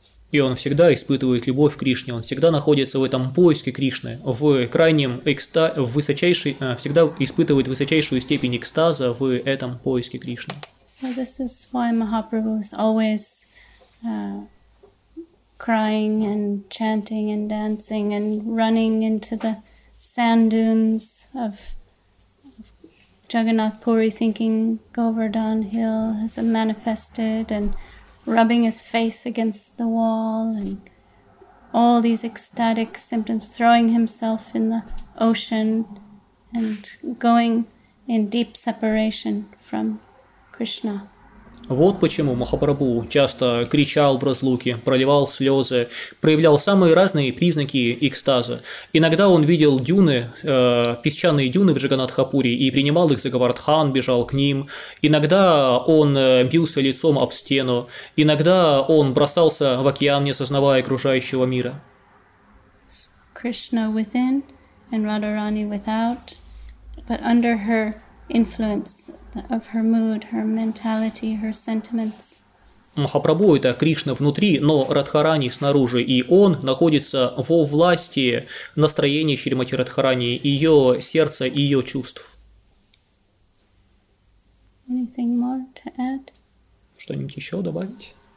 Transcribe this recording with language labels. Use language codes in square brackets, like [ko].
[ru] И он всегда испытывает любовь к Кришне, он всегда находится в этом поиске Кришны, в крайнем экстазе, всегда испытывает высочайшую степень экстаза в этом поиске Кришны. [en] So this is why Mahaprabhu is always crying and chanting and dancing and running into the sand dunes of Jagannath Puri, thinking Govardhan Hill has manifested, and rubbing his face against the wall, and all these ecstatic symptoms, throwing himself in the ocean and going in deep separation from Krishna. [ru] Вот почему Махапрабху часто кричал в разлуке, проливал слезы, проявлял самые разные признаки экстаза. Иногда он видел дюны, песчаные дюны в Джаганатхапуре и принимал их за Говардхан, бежал к ним. Иногда он бился лицом об стену. Иногда он бросался в океан, не осознавая окружающего мира. [en] Krishna within and Radharani without, but under her influence of her mood, her mentality, her sentiments. [ru] Махапрабху – это Кришна внутри, но Радхарани снаружи, и он находится во власти настроения Шримати Радхарани, ее сердца, ее чувств. [en] Anything more to add? [ru] Что-нибудь еще добавить?